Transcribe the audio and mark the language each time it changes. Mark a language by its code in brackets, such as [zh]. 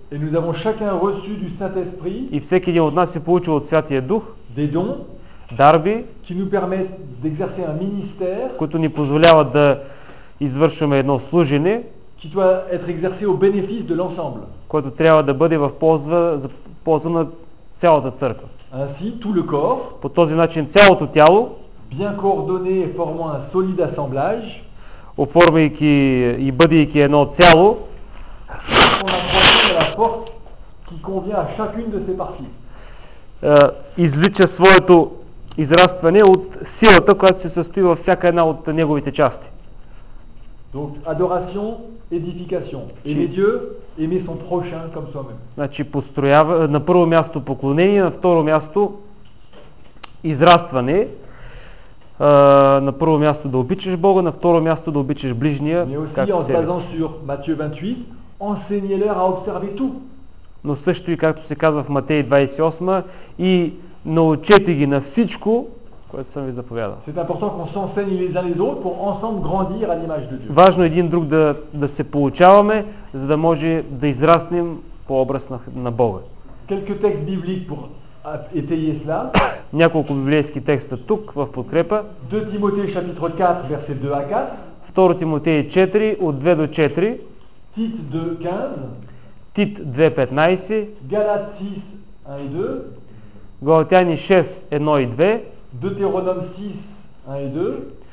[fr] Et nous avons chacun reçu du Saint-Esprit, [bg] и всеки един от нас е получил от Святия Дух [fr] des dons, [bg] дарби, [fr] qui nous permettent d'exercer un ministère, [bg] които ни позволяват да извършваме едно служене, [fr] qui doit être exercé au bénéfice de l'ensemble, [bg] което трябва да бъде в ползва, за полза на цялата църква. [fr] Ainsi, tout le corps, [bg] по този начин цялото тяло [fr] bien coordonné et formant un solide assemblage, [bg] оформяйки и бъдейки едно цяло, [fr] on apprend la force qui convient à chacune de ses parties. [bg] Излича своето израстване от силата, която се състои във всяка една от неговите части. [fr] Donc adoration, édification. Aimer Dieu, aimer son prochain comme soi-même. [bg] Значи построява на първо място поклонение, на второ място израстване. На първо място да обичаш Бога, на второ място да обичаш ближния, както себе си. [fr] Mais aussi, sur Matthieu 28, enseignez-leur à observer tout. [bg] Но също и както се казва в Матей 28, и научете ги на всичко, което съм ви заповядал. [fr] C'est important qu'on s'enseigne les uns les autres pour ensemble grandir à l'image de Dieu. [bg] Важно един друг да, да се получаваме, за да може да израснем по образ на, на Бога. [fr] Quelques textes bibliques pour étayer cela. [bg] Няколко библейски текста тук в подкрепа. [fr] 2 Тимотей 4, verset 2 à 4. [bg] 2 Тимотей 4, от 2 до 4. Тит 2, 15. Тит 2, 15. Галат 6, 1 и 2. Галатяни 6, 1 и 2. [fr] Deutéronom 6, 1 и 2.